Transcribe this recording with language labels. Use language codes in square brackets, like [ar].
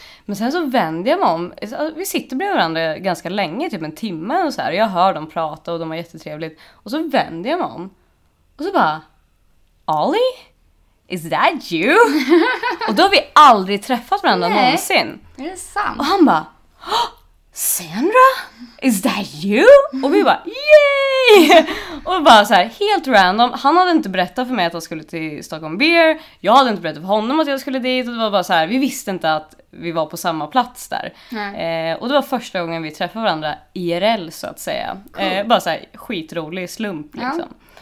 [sv] Men sen så vände jag mig om, vi sitter bredvid varandra ganska länge, typ en timme och så här, och jag hör dem prata och de var jättetrevligt. Och så vände jag mig om och så bara, Ollie, [en] is that you? [sv] Och då har vi aldrig träffat varandra någonsin. Nej, är det sant? Och han bara, Sandra, [en] is that you? [sv] Och vi bara, yay! Och bara så här helt random. Han hade inte berättat för mig att jag skulle till Stockholm Beer. Jag hade inte berättat för honom att jag skulle dit. Och det var bara så här, vi visste inte att vi var på samma plats där. Och det var första gången vi träffade varandra IRL, så att säga. Cool. Bara så här skitrolig slump, ja, liksom.